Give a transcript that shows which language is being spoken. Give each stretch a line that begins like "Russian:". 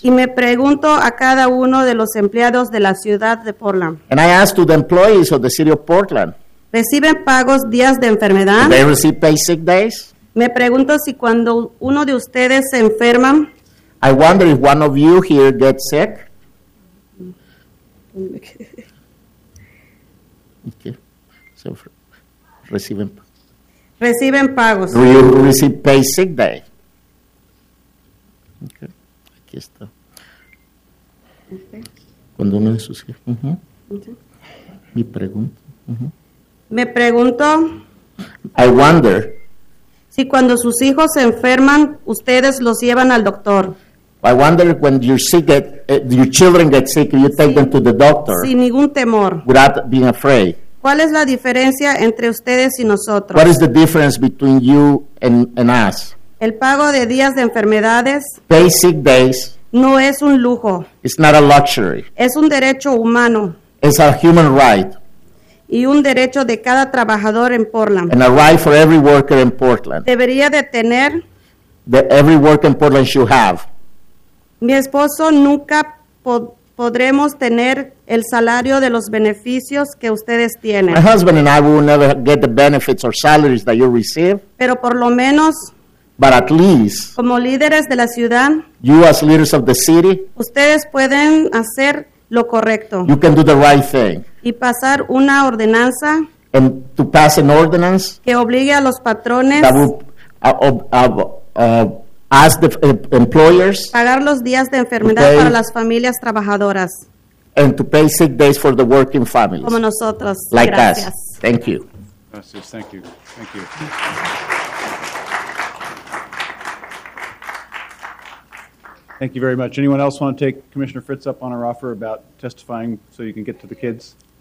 Spanish: Y me pregunto a cada uno de los empleados de la ciudad de Portland.
English: And I ask to the employees of the city of Portland.
Spanish: ¿Reciben pagos días de enfermedad?
English: Do they receive paid sick days?
Spanish: Me pregunto si cuando uno de ustedes se enferma.
English: I wonder if one of you here gets sick. Okay. So,
Spanish: reciben pagos.
English: You receive pay sick day. Okay.
Spanish: Aquí está. Cuando uno es sucio. Mi pregunta. Me pregunto.
English: I wonder.
Spanish: Si cuando sus hijos se enferman, ustedes los llevan al doctor.
English: I wonder when your sick get, your children get sick, you take them to the doctor.
Spanish: Sin ningún temor.
English: Without being afraid.
Spanish: ¿Cuál es la diferencia entre ustedes y nosotros?
English: What is the difference between you and us?
Spanish: El pago de días de enfermedades.
English: Pay sick days.
Spanish: No es un lujo.
English: It's not a luxury.
Spanish: Es un derecho humano.
English: It's a human right.
Spanish: Y un derecho de cada trabajador en Portland.
English: And a right for every worker in Portland.
Spanish: Debería de tener.
English: That every worker in Portland should have.
Spanish: Mi esposo nunca podremos tener el salario de los beneficios que ustedes tienen.
English: My husband and I will never get the benefits or salaries that you receive.
Spanish: Pero por lo menos.
English: But at least.
Spanish: Como líderes de la ciudad.
English: You as leaders of the city.
Spanish: Ustedes pueden hacer lo correcto.
English: You can do the right thing.
Spanish: Y pasar una ordenanza.
English: And to pass an ordinance.
Spanish: Que obligue a los patrones.
English: That will, ask the employers
Spanish: pagar los días de enfermedad pay, para las familias trabajadoras
English: and to pay sick days for the working families
Spanish: como nosotros
English: like
Spanish: gracias.
English: Us thank you
Spanish: gracias.
English: Thank you thank you thank you very much. Anyone else want to take Commissioner Fritz up on our offer about testifying so you can get to the kids?